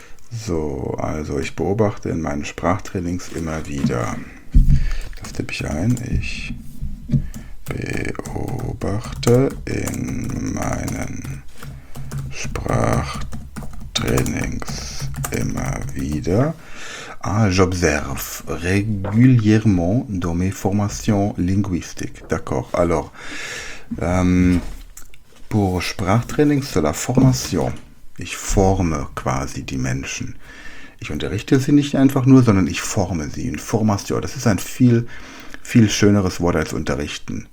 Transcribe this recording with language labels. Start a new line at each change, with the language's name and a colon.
German: So, also ich beobachte in meinen Sprachtrainings immer wieder. Das tippe ich ein. Ich beobachte in meinen Sprachtrainings immer wieder.
French: Ah, j'observe régulièrement dans mes formations linguistiques. D'accord. Alors, pour Sprachtrainings de la formation. Ich forme
German: quasi die Menschen. Ich unterrichte sie nicht einfach nur, sondern ich forme sie.
French: Une formation,
German: das ist ein viel, viel schöneres Wort als unterrichten.